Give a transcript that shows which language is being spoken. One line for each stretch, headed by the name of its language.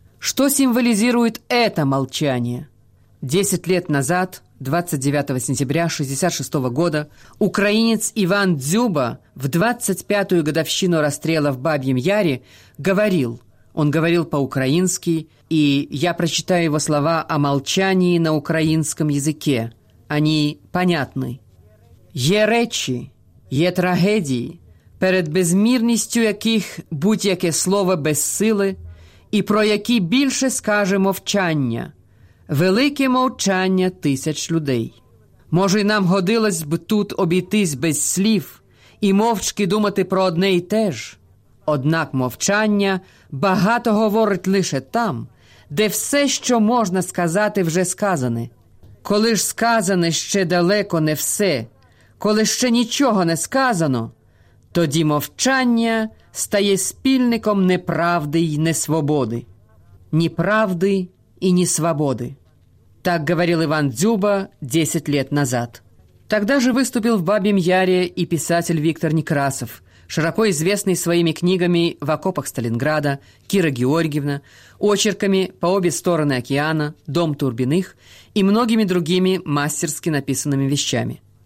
Russian: Что символизирует это молчание? 10 лет назад, 29 сентября 1966 года, украинец Иван Дзюба в 25-ю годовщину расстрела в Бабьем Яре говорил, он говорил по-украински, и я прочитаю его слова о молчании на украинском языке. Они понятны.
Ukrainian: «Є речі, є трагедії, перед безмірністю яких будь-яке слово без сили, і про які більше скаже мовчання, велике мовчання тисяч людей. Може, нам годилось б тут обійтись без слів і мовчки думати про одне й те ж? Однак мовчання багато говорить лише там, де все, що можна сказати, вже сказане. Коли ж сказане ще далеко не все, коли ще нічого не сказано, тоді мовчання стає спільником неправди й несвободи. Ні правди і ні свободи».
Russian: Так говорил Иван Дзюба 10 лет назад. Тогда же выступил в Бабьем Яре и писатель Виктор Некрасов, широко известный своими книгами «В окопах Сталинграда», «Кира Георгиевна», очерками «По обе стороны океана», «Дом Турбиных» и многими другими мастерски написанными вещами.